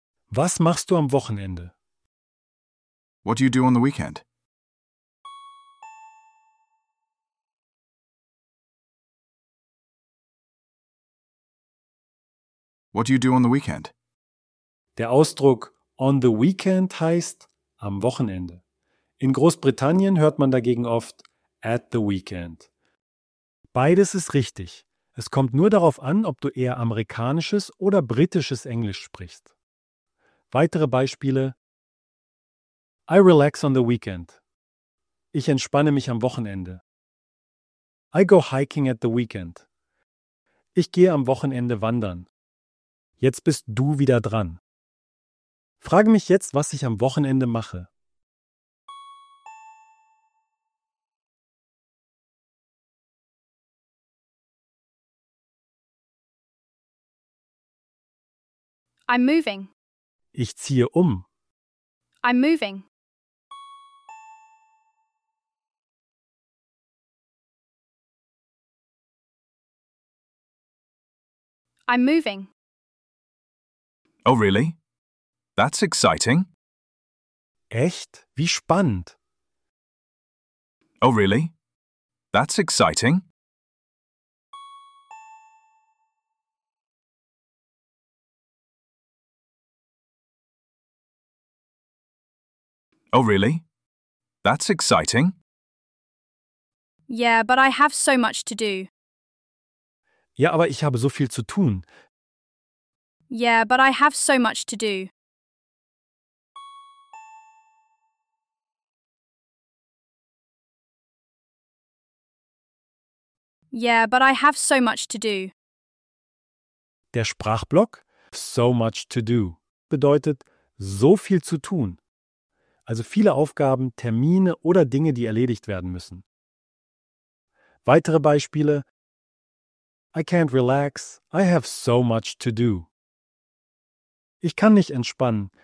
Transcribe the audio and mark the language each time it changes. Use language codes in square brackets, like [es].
[de] Was machst du am Wochenende? [en] What do you do on the weekend? What do you do on the weekend? [de] Der Ausdruck [en] on the weekend [de] heißt am Wochenende. In Großbritannien hört man dagegen oft [en] at the weekend. [de] Beides ist richtig. Es kommt nur darauf an, ob du eher amerikanisches oder britisches Englisch sprichst. Weitere Beispiele. [en] I relax on the weekend. [de] Ich entspanne mich am Wochenende. [en] I go hiking at the weekend. [de] Ich gehe am Wochenende wandern. Jetzt bist du wieder dran. Frage mich jetzt, was ich am Wochenende mache. [en] I'm moving. [de] Ich ziehe um. [en] I'm moving. I'm moving. Oh, really? That's exciting. [de] Echt? Wie spannend. [en] Oh, really? That's exciting. Oh, really? That's exciting. Yeah, but I have so much to do. [de] Ja, aber ich habe so viel zu tun. [en] Yeah, but I have so much to do. Yeah, but I have so much to do. [de] Der Sprachblock [en] so much to do [de] bedeutet so viel zu tun. Also viele Aufgaben, Termine oder Dinge, die erledigt werden müssen. Weitere Beispiele. [en] I can't relax. I have so much to do. [de] Ich kann nicht entspannen.